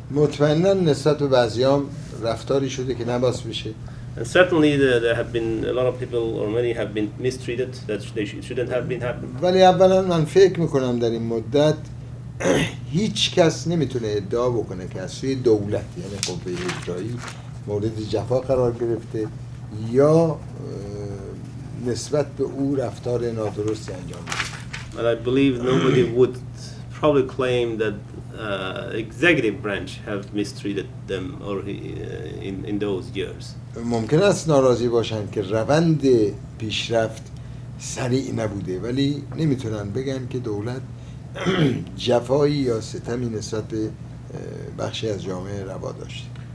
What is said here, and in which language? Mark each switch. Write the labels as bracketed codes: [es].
[fa] مطمئناً نسبت به بعضیام رفتاری شده که نباس بشه. [en] And certainly there have been a lot of people or many have been mistreated that they shouldn't have been happening. [fa] ولی اولا من فکر میکنم در این مدت هیچ کس نمیتونه ادعا بکنه که از سوی دولت یعنی قوه اجرایی مورد جفا قرار گرفته یا نسبت به او رفتار نادرستی انجام داده. [en] But I believe nobody would probably claim that executive branch have mistreated them or in those years. [fa] ممکن است ناراضی باشند که روند پیشرفت سریع نبوده ولی نمیتونن بگن که دولت جفایی یا ستمی نسبت به بخشی از جامعه روا داشته.